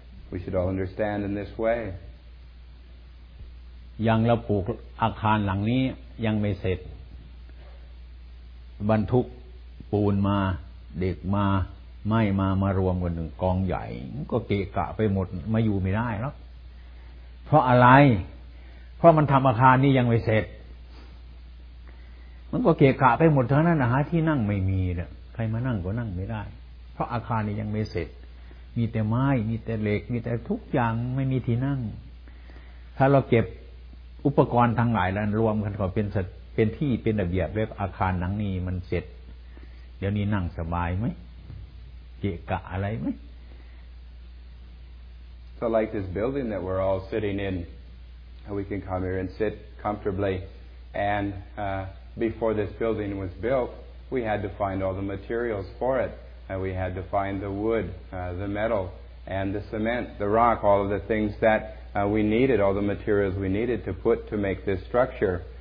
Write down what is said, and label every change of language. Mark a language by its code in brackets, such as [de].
[en] We should all understand in this way [th] ยังเราปลูกอาคารหลังนี้ยังไม่เสร็จบรรทุกปูนมาเด็กมาไม้มามารวมกันหนึ่งกองใหญ่ก็เกะกะไปหมดมาอยู่ไม่ได้แล้วเพราะอะไรเพราะมันทำอาคารนี้ยังไม่เสร็จ มันก็เกะกะไปหมดทั้งนั้นนะฮะที่นั่งไม่มีเนี่ยใครมานั่งก็นั่งไม่ได้เพราะอาคารนี่ยังไม่เสร็จมีแต่ไม้มีแต่เหล็กมีแต่ทุกอย่างไม่มีที่นั่งถ้าเราเก็บอุปกรณ์ทั้งหลายแล้วรวมกันก็เป็นที่เป็นระเบียบเรียกอาคารหลังนี้มันเสร็จเดี๋ยวนี้นั่งสบายไหมเกะกะอะไรไหม [en] So like this building that we're all sitting in we can come here and sit comfortably andBefore this building was built, we had to find all the materials for it. We had to find the wood, the metal, and the cement, the rock, all of the things that we needed, all the materials we needed to put to make this structure.